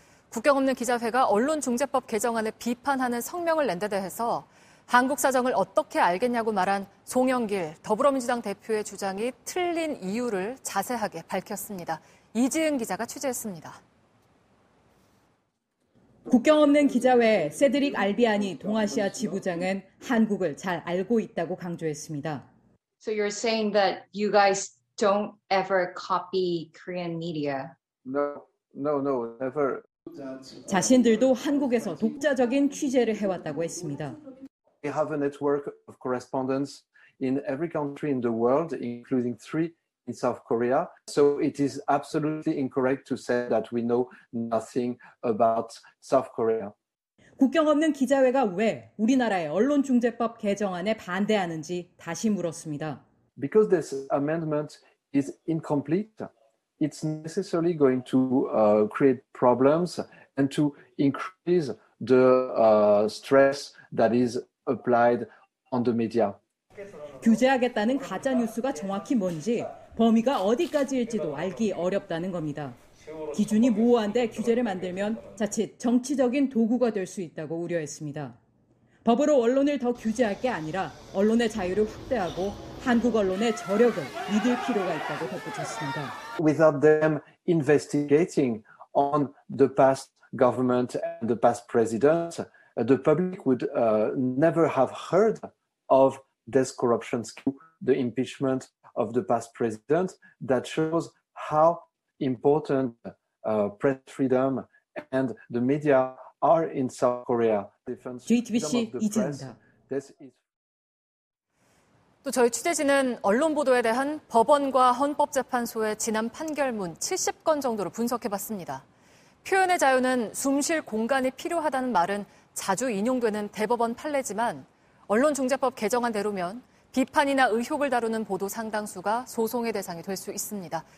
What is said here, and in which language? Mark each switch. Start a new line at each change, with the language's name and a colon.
Korean: 국경 없는 기자회가 언론중재법 개정안을 비판하는 성명을 낸 데 대해서 한국 사정을 어떻게 알겠냐고 말한 송영길 더불어민주당 대표의 주장이 틀린 이유를 자세하게 밝혔습니다. 이지은 기자가 취재했습니다. 국경 없는 기자회 세드릭 알비아니 동아시아 지부장은 한국을 잘 알고 있다고 강조했습니다.
English: So you're saying that you guys don't ever copy Korean media? No, never.
Korean: 자신들도 한국에서 독자적인 취재를 해왔다고 했습니다.
English: We have a network of correspondents in every country in the world, including three in South Korea. So it is absolutely incorrect to say that we know nothing about South Korea.
Korean: 국경 없는 기자회가 왜 우리나라의 언론중재법 개정안에 반대하는지 다시 물었습니다.
English: Because this amendment is incomplete, it's necessarily going to create problems and to increase the stress that is applied on the media.
Korean: 규제하겠다는 가짜 뉴스가 정확히 뭔지 범위가 어디까지일지도 알기 어렵다는 겁니다. 기준이 모호한데 규제를 만들면 자칫 정치적인 도구가 될 수 있다고 우려했습니다. 법으로 언론을 더 규제할 게 아니라 언론의 자유를 확대하고 한국 언론의 저력을 믿을 필요가 있다고 덧붙였습니다.
English: Without them investigating on the past government and the past president, the public would never have heard of this corruption scandal, the impeachment of the past president that shows how important press freedom and the media are in South Korea.
Korean: JTBC 이진다. 또 저희 취재진은 언론 보도에 대한 법원과 헌법재판소의 지난 판결문 70건 정도를 분석해봤습니다. 표현의 자유는 숨쉴 공간이 필요하다는 말은 자주 인용되는 대법원 판례지만 언론중재법 개정안대로면 비판이나 의혹을 다루는 보도 상당수가 소송의 대상이 될 수 있습니다.